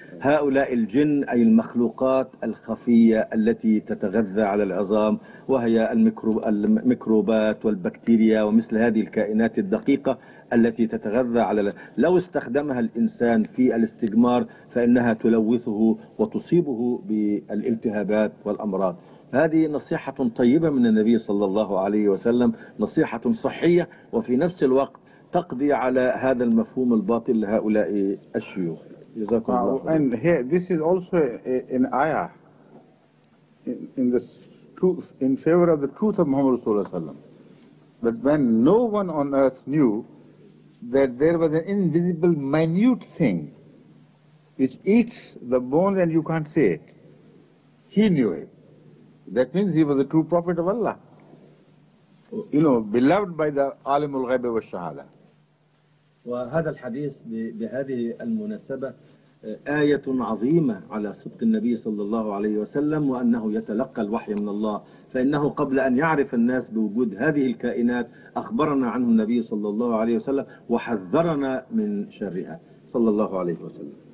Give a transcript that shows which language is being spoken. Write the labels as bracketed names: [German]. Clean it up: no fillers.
[Arabic] هؤلاء الجن أي المخلوقات الخفية التي تتغذى على العظام وهي الميكروبات والبكتيريا ومثل هذه الكائنات الدقيقة التي تتغذى على لو استخدمها الإنسان في الاستجمار فإنها تلوثه وتصيبه بالالتهابات والأمراض هذه نصيحة طيبة من النبي صلى الله عليه وسلم نصيحة صحية وفي نفس الوقت تقضي على هذا المفهوم الباطل لهؤلاء الشيوخ [English] And here, this is also an ayah in the truth, in favor of the truth of Muhammad Rasulullah Sallam. But when no one on earth knew that there was an invisible, minute thing which eats the bones and you can't see it, he knew it. That means he was a true prophet of Allah. You know, beloved by the Alimul Ghaib wa Shahada. [Arabic] وهذا الحديث بهذه المناسبة آية عظيمة على صدق النبي صلى الله عليه وسلم وأنه يتلقى الوحي من الله فإنه قبل أن يعرف الناس بوجود هذه الكائنات أخبرنا عنه النبي صلى الله عليه وسلم وحذرنا من شرها صلى الله عليه وسلم